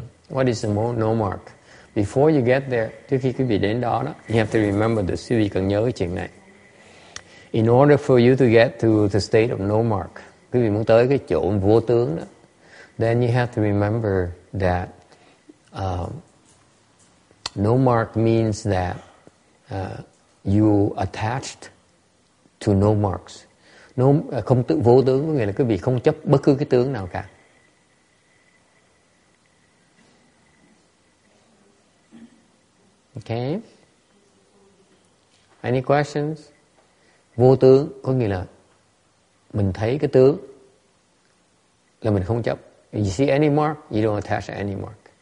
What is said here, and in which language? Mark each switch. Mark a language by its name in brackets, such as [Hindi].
[English] What is the no mark? Before you get there, [Vietnamese] trước khi quý vị đến đó, [English] you have to remember this. [Vietnamese] Quý vị cần nhớ cái chuyện này. [English] In order for you to get to the state of no mark, [Vietnamese] quý vị muốn tới cái chỗ vô tướng đó, [English] then you have to remember that no mark means that you attached to no marks. [Vietnamese] No, không tự vô tướng có nghĩa là quý vị không chấp bất cứ cái tướng nào cả. [English] Okay. Any questions? [Vietnamese] Vô tướng có nghĩa là mình thấy cái tướng là mình không chấp. [English] You see any mark, you don't attach to any mark.